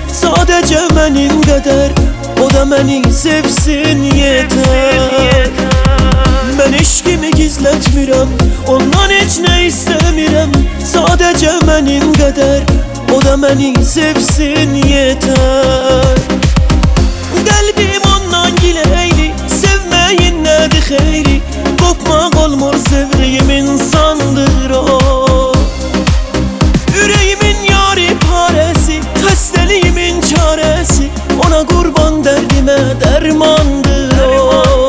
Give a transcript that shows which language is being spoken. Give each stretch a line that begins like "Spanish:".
Turkish: Sadece benim kader, o da beni sevsin yeter.
Azerbaijani: Ben eşkimi gizletmirem, ondan hiç ne istemirem.
Turkish: Sadece benim kader, o da beni sevsin yeter.
Azerbaijani: Qəlbim ondan giləyli, sevməyin nədir xeyri? Qopmaq olmur sevdiyim insandır o. Ürəyimin yari parəsi, xəstəliyimin çarəsi, ona qurban dərdimə dərmandır o.